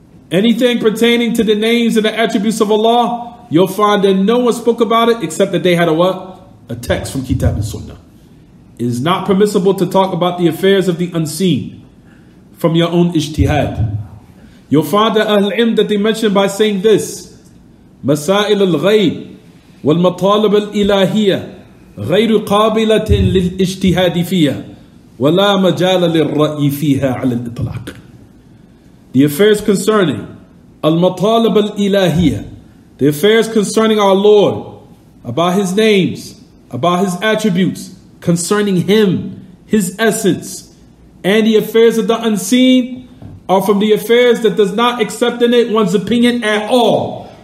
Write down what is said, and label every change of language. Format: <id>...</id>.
<en>Anything pertaining to the names and the attributes of Allah, you'll find that no one spoke about it except that they had a what? A text from Kitab and Sunnah. It is not permissible to talk about the affairs of the unseen from your own ijtihad. You'll find that Ahl-Ilm that they mentioned by saying this,</en> <ar>مسائل الغيب والمطالب الإلهية غير قابلة للإجتهاد فيها ولا مجال للرأي فيها على الإطلاق.</ar> <en>The affairs concerning</en> <ar>المطالب الإلهية,</ar> <en>the affairs concerning our Lord, about His names, about His attributes, concerning Him, His essence, and the affairs of the unseen, are from the affairs that does not accept in it one's opinion at all.</en>